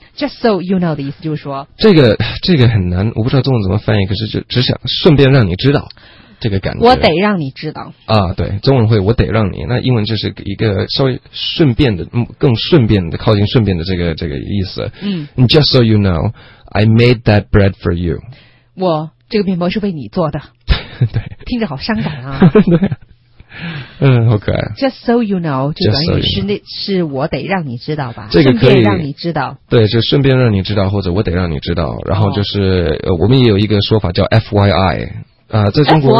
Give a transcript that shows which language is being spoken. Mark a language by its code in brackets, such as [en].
[en] Just so you know [zh] 的意思就是说，这个很难，我不知道中文怎么翻译，可是就只想顺便让你知道这个感觉。我得让你知道啊，对，中文会我得让你，那英文就是一个稍微顺便的，更顺便的，靠近顺便的这个意思。嗯 [en] ，just so you know， I made that bread for you。 [zh] 我这个面包是为你做的。对，听着好伤感啊。对。嗯，好可爱。 [en] Just so you know， [zh] 就等于是那是我得让你知道吧，这个可以让你知道。对，就顺便让你知道，或者我得让你知道。然后就是、哦我们也有一个说法叫 FYI 啊、在中国